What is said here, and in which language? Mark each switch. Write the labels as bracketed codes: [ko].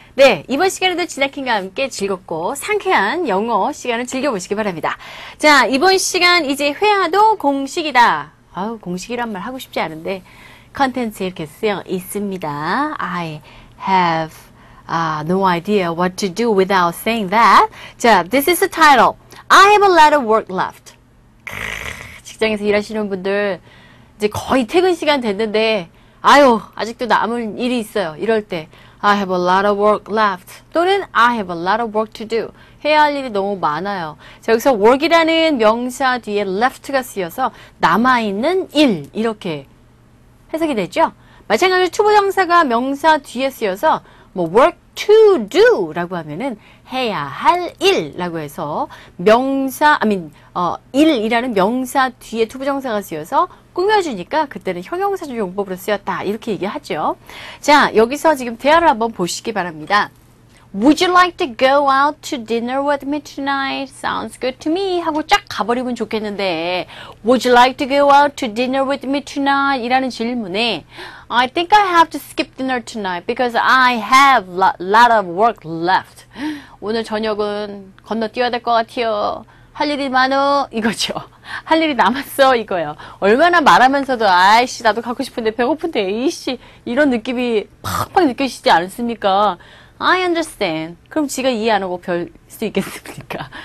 [ko] 네, 이번 시간에도 진아킴과 함께 즐겁고 상쾌한 영어 시간을 즐겨보시기 바랍니다. 자, 이번 시간 이제 회화도 공식이다. 아우, 공식이란 말 하고 싶지 않은데 컨텐츠 이렇게 쓰여 있습니다. [en] I have no idea what to do without saying that. 자, this is the title. I have a lot of work left. [ko] 직장에서 일하시는 분들 이제 거의 퇴근 시간 됐는데 아유, 아직도 남은 일이 있어요. 이럴 때 [en] I have a lot of work left 또는 I have a lot of work to do. [ko] 해야 할 일이 너무 많아요. 자, 여기서 work이라는 명사 뒤에 left가 쓰여서 남아있는 일 이렇게 해석이 되죠. 마찬가지로 to 부정사가 명사 뒤에 쓰여서 뭐 [en] work to do [ko] 라고 하면은 해야 할 일 라고 해서 명사 일이라는 명사 뒤에 to 부정사가 쓰여서 꾸며주니까 그때는 형용사 용법으로 쓰였다 이렇게 얘기하죠. 자, 여기서 지금 대화를 한번 보시기 바랍니다. [en] Would you like to go out to dinner with me tonight? Sounds good to me [ko] 하고 쫙 가버리면 좋겠는데 [en] Would you like to go out to dinner with me tonight? [ko] 이라는 질문에 [en] I think I have to skip dinner tonight because I have lot of work left. [ko] 오늘 저녁은 건너뛰어야 될 것 같아요. 할 일이 많어 이거죠. 할 일이 남았어 이거요. 얼마나 말하면서도 아이씨 나도 가고 싶은데 배고픈데 이씨 이런 느낌이 팍팍 느껴지지 않습니까? [en] I understand. [ko] 그럼 지가 이해 안 하고 별 수 있겠습니까?